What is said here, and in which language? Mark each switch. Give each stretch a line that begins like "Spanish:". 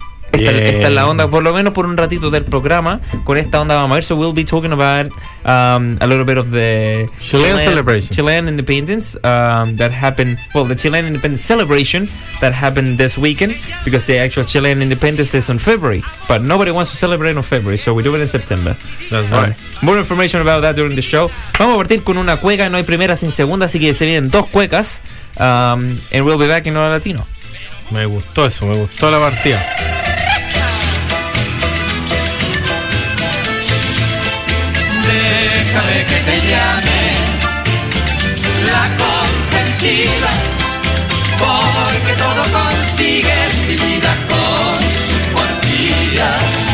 Spanish: Esta es la onda, por lo menos por un ratito del programa. Con esta onda vamos a ver.
English: So we'll be talking about a little bit of the Chilean celebration, Chilean independence that happened. Well, the Chilean independence celebration that happened this weekend, because the actual Chilean independence is on February, but nobody wants to celebrate on February, so we do it in September. That's right. More information about that during the show.
Spanish: Vamos a partir con una cueca. No hay primera sin segunda, así que se vienen dos cuecas.
English: And we'll be back in Hola Latino.
Spanish: Me gustó eso, me gustó la partida. Déjame que te llame la consentida, porque todo consigues, mi vida, con sus porfías.